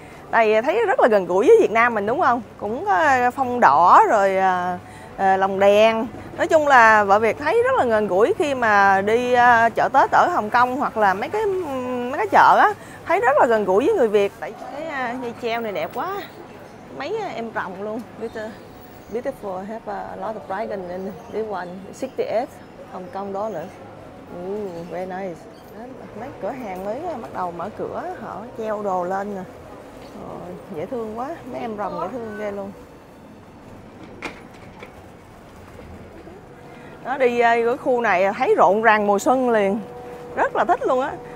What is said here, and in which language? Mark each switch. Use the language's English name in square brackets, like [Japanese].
[Vietnamese] Đây thấy rất là gần gũi với Việt Nam mình đúng không? Cũng có phong đỏ rồi lồng đèn. Nói chung là vợ Việt thấy rất là gần gũi khi mà đi chợ Tết ở Hồng Kông hoặc là mấy cái chợ á, thấy rất là gần gũi với người Việt. Tại cái dây treo này đẹp quá. Mấy em rồng luôn. [English] Beautiful, have a lot of dragon in this one, 68 Hồng Kông dollars. Ooh, very nice. [Vietnamese] Mấy cửa hàng mới bắt đầu mở cửa, họ treo đồ lên nè. Rồi, dễ thương quá, mấy em rồng dễ thương ghê luôn. Nó đi cái khu này thấy rộn ràng mùa xuân liền, rất là thích luôn á.